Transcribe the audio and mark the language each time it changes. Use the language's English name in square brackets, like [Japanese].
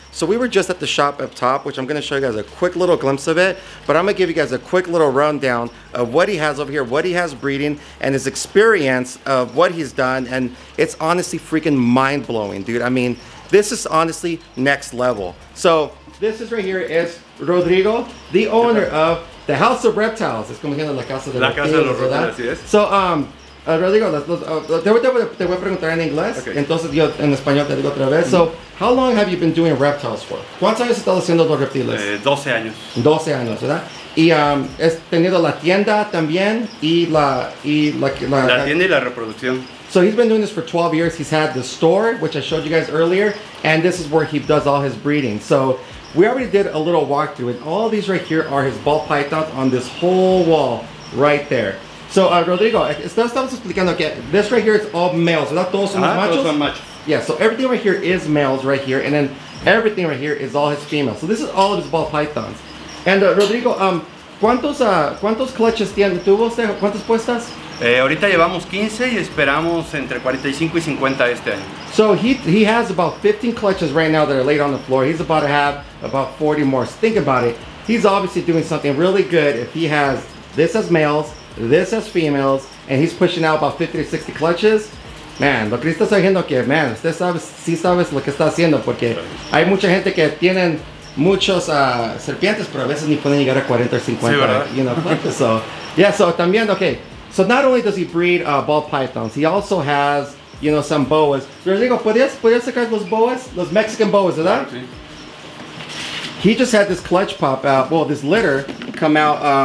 [English] So we were just at the shop up top, which I'm gonna show you guys a quick little glimpse of it, but I'm gonna give you guys a quick little rundown of what he has over here, what he has breeding, and his experience of what he's done. And it's honestly freaking mind-blowing, dude. I mean, this is honestly next level. So this is right here is Rodrigo, the owner of the House of Reptiles. [Spanish] It's como que la casa de los reptiles. So, Rodrigo, te voy a preguntar en inglés. Okay. Entonces yo en español te digo otra vez. [English] So, how long have you been doing reptiles for? [Spanish] ¿Cuántos años estás haciendo los reptiles? 12 años. 12 años, ¿verdad? Y has tenido la tienda también y la tienda y la reproducción. [English] So he's been doing this for 12 years. He's had the store, which I showed you guys earlier, and this is where he does all his breeding. So we already did a little walkthrough, and all these right here are his ball pythons on this whole wall right there. [Spanish] So, Rodrigo, estamos explicando que [English] this right here is all males, [Spanish] ¿verdad? Todos son machos. Todos son machos. [English] Yeah, so everything right here is males right here, and then everything right here is all his females. So this is all of his ball pythons. [Spanish] And Rodrigo, ¿cuántos clutches tiene? ¿Tuvo usted? ¿Cuántas puestas? Ahorita llevamos 15 y esperamos entre 45 y 50 este año. [English] So he has about 15 clutches right now that are laid on the floor. He's about to have about 40 more. So think about it. He's obviously doing something really good if he has this as males, this as females, and he's pushing out about 50 to 60 clutches. [Spanish] Man, lo que está haciendo que, man, usted sabe, sí sabes lo que está haciendo, porque hay mucha gente que tienen muchos serpientes, pero a veces ni pueden llegar a 40 or 50, sí, ¿verdad? [English] You know, clutches. So, yeah, so también, okay. So not only does he breed ball pythons, he also has, you know, some boas. [Spanish] Rodrigo, ¿podrías sacar los boas? Los Mexican boas, ¿verdad? [English] He just had this clutch pop out, well, this litter come out.